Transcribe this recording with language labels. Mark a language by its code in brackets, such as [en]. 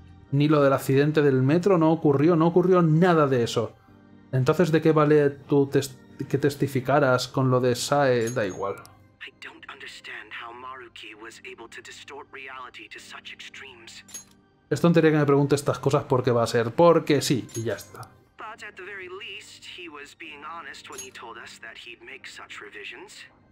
[es] Ni lo del accidente del metro, no ocurrió nada de eso. Entonces, ¿de qué vale tú que testificaras con lo de Sae? Da igual. [en] I don't understand how Maruki was able to distort reality to such extremes. [es] Es tontería que me pregunte estas cosas porque va a ser porque sí, y ya está. [en] But at the very least, he was being honest when he told us that he'd make such revisions.